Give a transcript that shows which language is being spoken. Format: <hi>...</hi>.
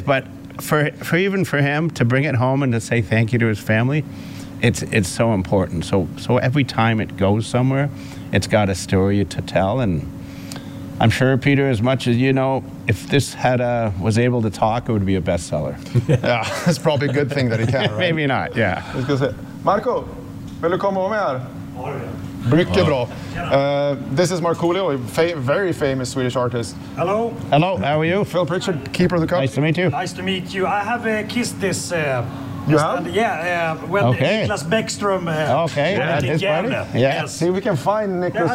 <en>But for even for him to bring it home and to say thank you to his family, it's so important. So every time it goes somewhere, it's got a story to tell. And I'm sure, Peter, as much as you know, if this had was able to talk, it would be a bestseller. Yeah, it's probably a good thing that he can, right? Maybe not, yeah.</en> <sv>Marco, vill du komma med här? Mycket bra.</sv> <en>This is Markoolio, a very famous Swedish artist. Hello. Hello, how are you? Phil Pritchard, keeper of the cup. Nice to meet you. Nice to meet you. I have kissed this... You have? And, yeah, when okay. Niklas Bäckström... Okay, at his party? Yeah. Yes. See, we can find Niklas</en>